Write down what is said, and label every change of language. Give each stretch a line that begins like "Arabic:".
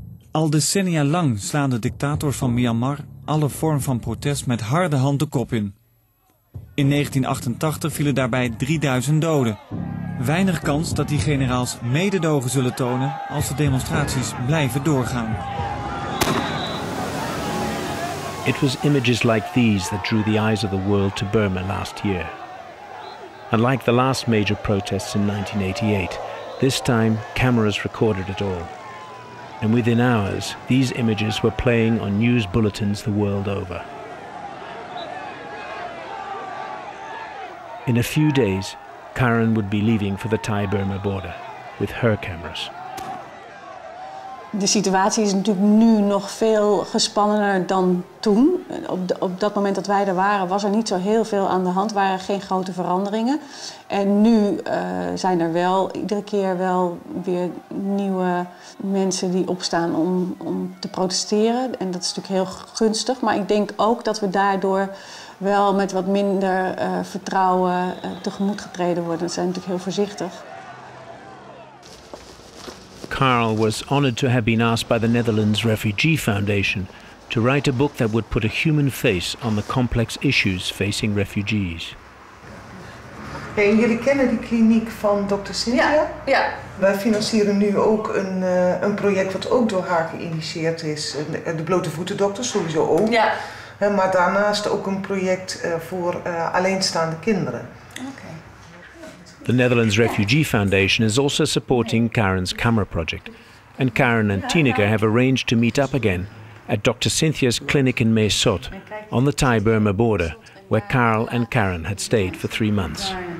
Dutch: Al decennia lang slaan de dictators van Myanmar alle vorm van protest met harde hand de kop in. In 1988 vielen daarbij 3000 doden. Weinig kans dat die generaals mededogen zullen tonen als de demonstraties blijven doorgaan.
English: It was images like these that drew the eyes of the world to Burma last year. Unlike the last major protests in 1988, this time cameras recorded it all. And within hours, these images were playing on news bulletins the world over. In a few days, Karin would be leaving for the Thai-Burma border with her cameras.
Dutch: De situatie is natuurlijk nu nog veel gespannener dan toen. Op dat moment dat wij er waren, was er niet zo heel veel aan de hand. Er waren geen grote veranderingen. En nu zijn er wel iedere keer wel weer nieuwe mensen die opstaan om te protesteren. En dat is natuurlijk heel gunstig. Maar ik denk ook dat we daardoor wel met wat minder vertrouwen tegemoet getreden worden. Ze zijn natuurlijk heel voorzichtig.
English: Karel was honored to have been asked by the Netherlands Refugee Foundation to write a book that would put a human face on the complex issues facing refugees.
Dutch: Ja, en jullie kennen die kliniek van dokter Cynthia? Ja, ja. Wij financieren nu ook een project wat ook door haar geïnitieerd is. De blote voeten dokter, sowieso ook. Ja. Maar daarnaast ook een project voor alleenstaande kinderen.
English: The Netherlands Refugee Foundation is also supporting Karin's camera project. And Karin and Tineke have arranged to meet up again at Dr. Cynthia's clinic in Mae Sot, on the Thai-Burma border, where Karel and Karin had stayed for 3 months.